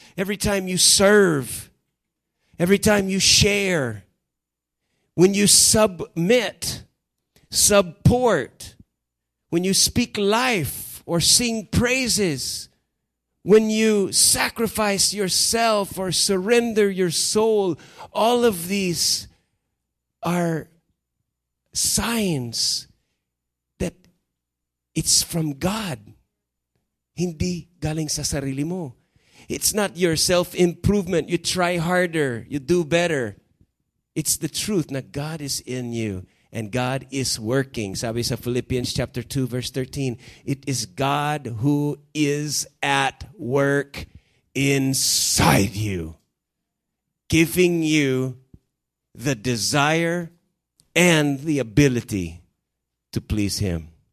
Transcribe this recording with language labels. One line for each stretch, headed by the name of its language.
English: Every time you serve, every time you share, when you submit, support, when you speak life or sing praises, when you sacrifice yourself or surrender your soul, all of these are signs that it's from God.
Filipino: Hindi galing sa sarili mo.
English: It's not your self-improvement. You try harder. You do better. It's the truth that God is in you and God is working.
Filipino: Sabi sa
English: Philippians chapter 2, verse 13, it is God who is at work inside you, giving you the desire and the ability to please Him.